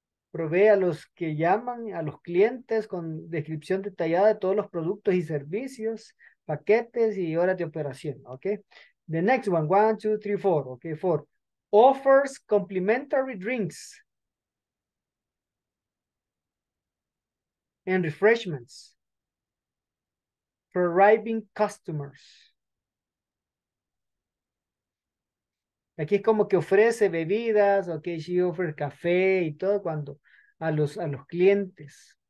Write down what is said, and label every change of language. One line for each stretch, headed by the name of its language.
Spanish: Provee a los que llaman a los clientes con descripción detallada de todos los productos y servicios, paquetes y horas de operación.
English: Okay. The next one, 1, 2, 3, 4. Okay, four. Offers complimentary drinks and refreshments for arriving customers.
Spanish: Aquí es como que ofrece bebidas, ok,
English: she offers
Spanish: café y todo cuando a los clientes.